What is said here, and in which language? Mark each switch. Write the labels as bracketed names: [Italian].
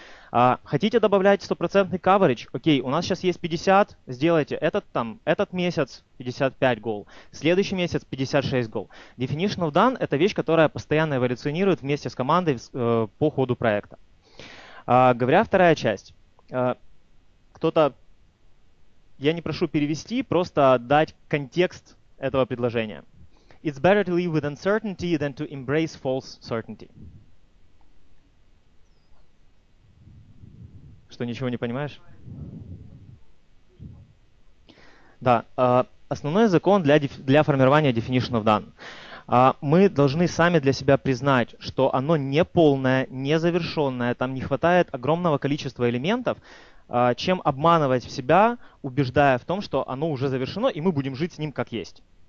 [Russian] Хотите добавлять 100% coverage? Окей, у нас сейчас есть 50, сделайте этот там, этот месяц 55 гол, следующий месяц 56 гол. Definition of done — это вещь, которая постоянно эволюционирует вместе с командой по ходу проекта. Говоря вторая часть, кто-то, я не прошу перевести, просто дать контекст этого предложения. [English] It's better to live with uncertainty than to embrace false certainty. [Russian] Что ничего не понимаешь? Да, основной закон для формирования definition of done. Мы должны сами для себя признать, что оно не полное, не завершенное, там не хватает огромного количества элементов, чем обманывать себя, убеждая в том, что оно уже завершено, и мы будем жить с ним как есть.